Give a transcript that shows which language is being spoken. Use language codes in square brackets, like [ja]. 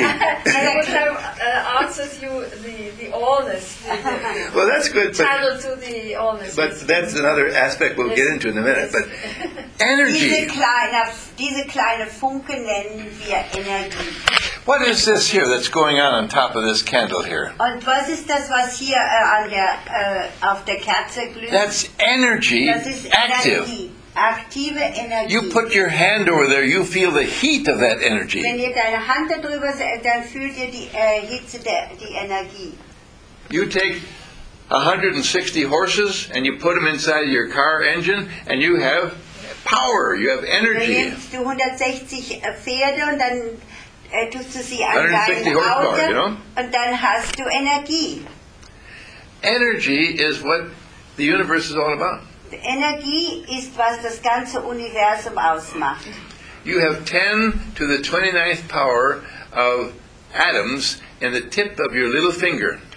[en] Which answers you the allness. Well, that's good. The channel to the allness. But that's another aspect we'll get into in a minute. But energy. [de] Diese kleine Funken nennen wir Energie. [en] What is this here that's going on top of this candle here? [de] Und was ist das, was hier an der auf der Kerze glüht? [en] That's energy. [de] Das ist [en] active. [de] Aktive Energie. [en] You put your hand over there, you feel the heat of that energy. [de] Wenn ihr deine Hand da drüber, dann fühlt ihr die Hitze der die Energie. [en] You take 160 horses and you put them inside your car engine and you have power, you have energy. [de] Du 160 Pferde und dann tust du sie an dein [en] Auto, you know? [de] Und dann hast du Energie. [en] Energy is what the universe is all about. [de] Energie ist, was das ganze Universum ausmacht. [en] You have 10 to the 29th power of atoms in the tip of your little finger.